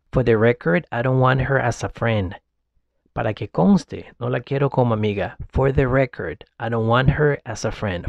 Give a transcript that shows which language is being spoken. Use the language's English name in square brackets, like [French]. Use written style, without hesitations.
[English] For the record, I don't want her as a friend. [Spanish] Para que conste, no la quiero como amiga. [English] For the record, I don't want her as a friend.